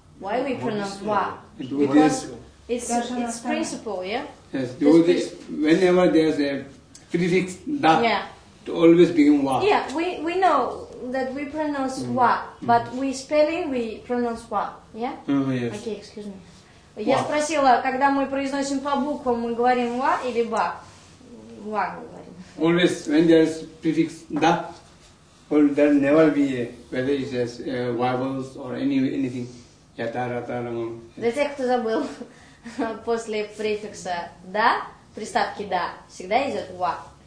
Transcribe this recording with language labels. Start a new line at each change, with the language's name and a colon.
English: Why we pronounce wa? Because it's principle, yeah? Yes, do this whenever there's a prefix da, yeah, to always begin wa. Yeah, we know that we pronounce wa, but we spelling, we pronounce wa, yeah? Yes. Okay, excuse me. Wa.
Russian: Я спросила, когда мы произносим по буквам, мы говорим wa или ba?
English: Wa. Always, when there's prefix da, well, there never be a, whether it's a vowels or anything.
Russian: Для тех, кто забыл, после префикса «да», приставки «да», всегда идет «ва».